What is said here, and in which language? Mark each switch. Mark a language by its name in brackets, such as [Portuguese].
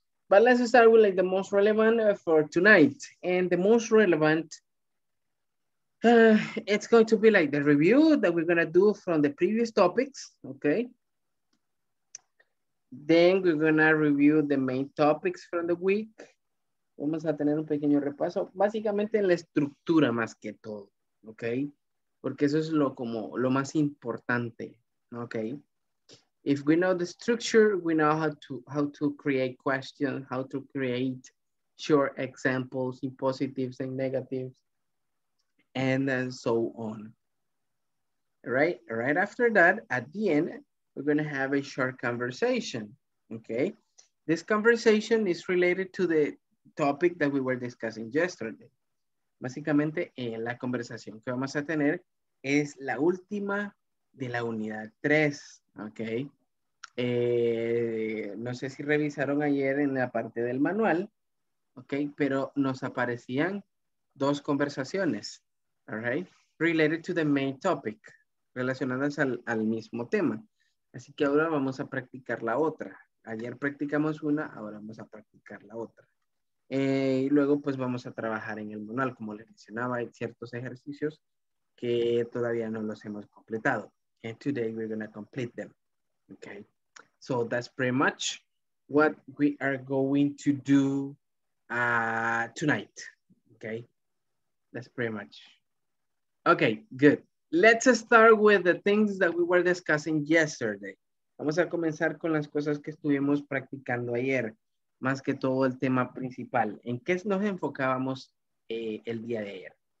[English] But let's start with like the most relevant for tonight. And the most relevant, it's going to be like the review that we're going to do from the previous topics, okay? Then we're going to review the main topics from the week. [Spanish] Vamos a tener un pequeño repaso, básicamente en la estructura más que todo, ¿ok? Porque eso es lo, como, lo más importante, ¿ok? [English] If we know the structure, we know how to create questions, how to create short examples in positives and negatives, and then so on. Right after that, at the end, we're going to have a short conversation, ¿ok? This conversation is related to the topic that we were discussing yesterday. [Spanish] Básicamente, la conversación que vamos a tener es la última de la unidad 3, ¿ok? No sé si revisaron ayer en la parte del manual, ¿ok? Pero nos aparecían dos conversaciones, [English] ¿all right? Related to the main topic, [Spanish] relacionadas al mismo tema. Así que ahora vamos a practicar la otra. Ayer practicamos una, ahora vamos a practicar la otra. Y luego pues vamos a trabajar en el manual, como les mencionaba, hay ciertos ejercicios que todavía no los hemos completado. [English] And today we're going to complete them, okay? So that's pretty much what we are going to do tonight, okay? That's pretty much. Okay, good. Let's start with the things that we were discussing yesterday. [Spanish] Vamos a comenzar con las cosas que estuvimos practicando ayer. Más que todo el tema principal. ¿En qué nos enfocábamos el día de ayer?